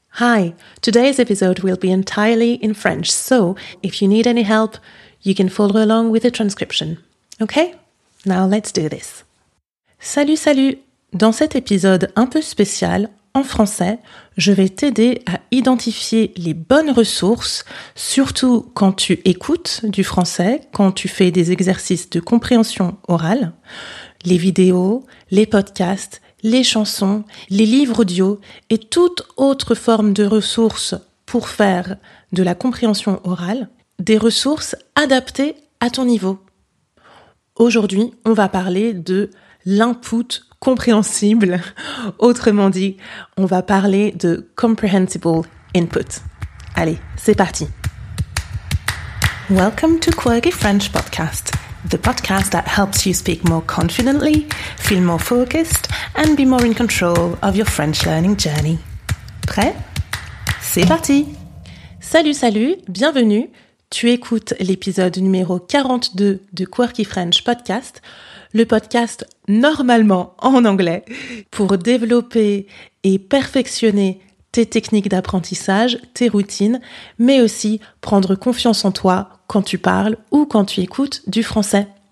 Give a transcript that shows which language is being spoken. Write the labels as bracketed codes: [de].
[en] Hi, today's episode will be entirely in French, so if you need any help, you can follow along with the transcription. Ok, now let's do this. [fr] Salut, salut! Dans cet épisode un peu spécial, en français, je vais t'aider à identifier les bonnes ressources, surtout quand tu écoutes du français, quand tu fais des exercices de compréhension orale, les vidéos, les podcasts, les chansons, les livres audio et toute autre forme de ressources pour faire de la compréhension orale, des ressources adaptées à ton niveau. Aujourd'hui, on va parler de l'input compréhensible. Autrement dit, on va parler de comprehensible input. Allez, c'est parti. [en] Welcome to Quirky French Podcast. The podcast that helps you speak more confidently, feel more focused, and be more in control of your French learning journey. [fr] Prêt? C'est parti! Salut, salut, bienvenue! Tu écoutes l'épisode numéro 42 de Quirky French Podcast, le podcast normalement en anglais, pour développer et perfectionner tes techniques d'apprentissage, tes routines, mais aussi prendre confiance en toi quand tu parles ou quand tu écoutes du français.